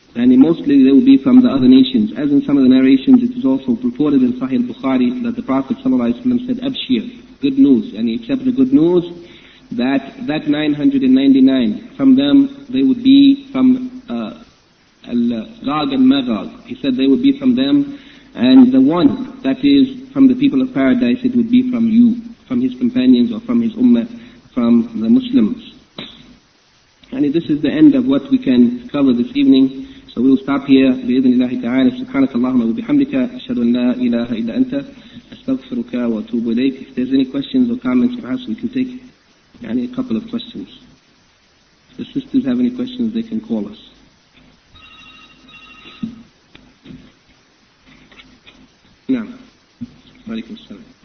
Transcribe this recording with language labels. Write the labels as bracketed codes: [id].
[en] And mostly they will be from the other nations. As in some of the narrations, it is also reported in Sahih al-Bukhari that the Prophet ﷺ said, Abshir, good news, and he accepted the good news, that 999, from them, they would be from Gog and Magog. He said they would be from them, and the one that is from the people of paradise, it would be from you, from his companions or from his ummah, from the Muslims. And this is the end of what we can cover this evening. So we will stop here. [ar] بإذن الله تعالى سبحانك اللهم وبحمدك أشهد أن لا إله إلا أنت أستغفرك وأتوب إليك. [en] If there's any questions or comments, perhaps we can take [ar] يعني [en] a couple of questions. If the sisters have any questions, they can call us. [ar] نعم. وعليكم السلام.